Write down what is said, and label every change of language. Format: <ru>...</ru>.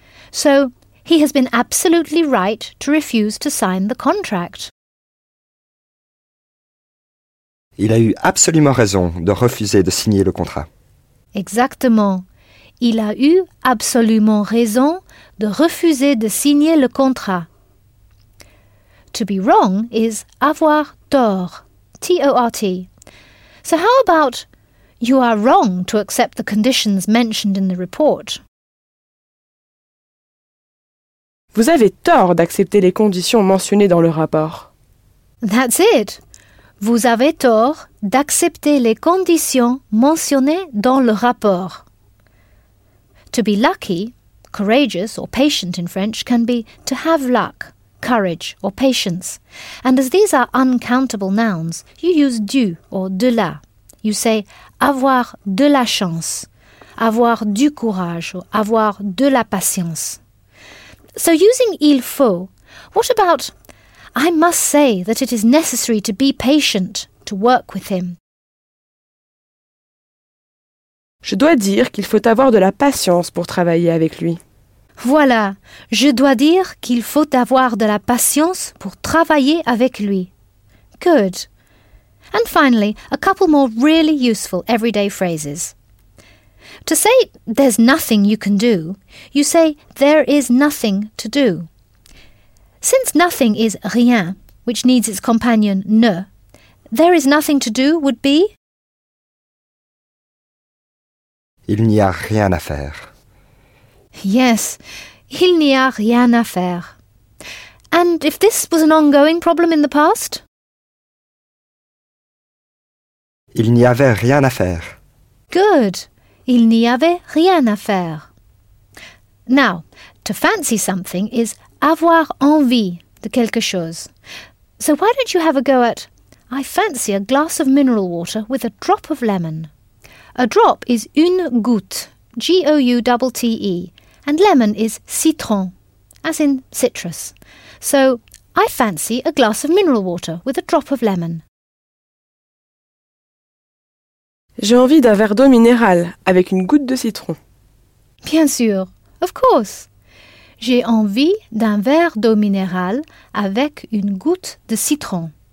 <en>So, he has been absolutely right to refuse to sign the contract.</en> <fr>Il a eu absolument raison de refuser de signer le contrat. Exactement. il a eu absolument raison de refuser de signer le contrat.</fr> <en>To be wrong is avoir tort, T-O-R-T. So how about you are wrong to accept the conditions mentioned in the report?</en> <fr>Vous avez tort d'accepter les conditions mentionnées dans le rapport.</fr> <en>That's it.</en> <fr>Vous avez tort d'accepter les conditions mentionnées dans le rapport.</fr> <en>To be lucky, courageous or patient in French, can be to have luck, courage or patience. And as these are uncountable nouns, you use du or de la. You say</en> <fr>avoir de la chance, avoir du courage</fr> <en>or</en> <fr>avoir de la patience.</fr> <en>So using il faut, what about I must say that it is necessary to be patient to work with him?</en> <fr>Je dois dire qu'il faut avoir de la patience pour travailler avec lui. Voilà, je dois dire qu'il faut avoir de la patience pour travailler avec lui.</fr> <en>Good. And finally, a couple more really useful everyday phrases. To say there's nothing you can do, you say there is nothing to do. Since nothing is rien, which needs its companion ne, there is nothing to do would be...</en> <fr>Il n'y a rien à faire. Yes, il n'y a rien à faire.</fr> <en>And if this was an ongoing problem in the past?</en> <fr>Il n'y avait rien à faire. Good, il n'y avait rien à faire.</fr> <en>Now, to fancy something is</en> <fr>avoir envie de quelque chose.</fr> <en>So why don't you have a go at I fancy a glass of mineral water with a drop of lemon. A drop is une goutte, G-O-U-T-T-E, and lemon is citron, as in citrus. So, I fancy a glass of mineral water with a drop of lemon.</en> <fr>J'ai envie d'un verre d'eau minérale avec une goutte de citron. Bien sûr,</fr> <en>of course.</en> <fr>J'ai envie d'un verre d'eau minérale avec une goutte de citron.</fr>